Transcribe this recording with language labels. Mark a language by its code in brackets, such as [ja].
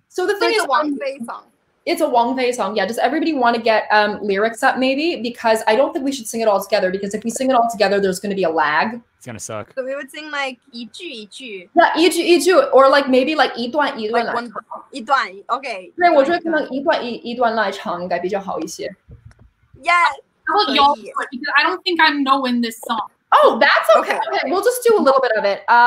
[en] So the thing is, Wang Fei song. It's a Wang Fei song. Yeah. Does everybody want to get lyrics up, maybe? Because I don't think we should sing it all together. Because if we sing it all together, there's going to be a lag. It's going to suck. So we would sing like [zh] 一句一句. [en] Yeah, [zh] 一句一句, [en] or like maybe like [zh] 一段一段. [en] Like [zh] 一段. [en] Okay. [zh] 对，我觉得可能一段一段来唱应该比较好一些. [en] Yeah. How about y'all? Because I don't think I'm knowing this song. Oh, that's okay. Okay. We'll just do a little bit of it.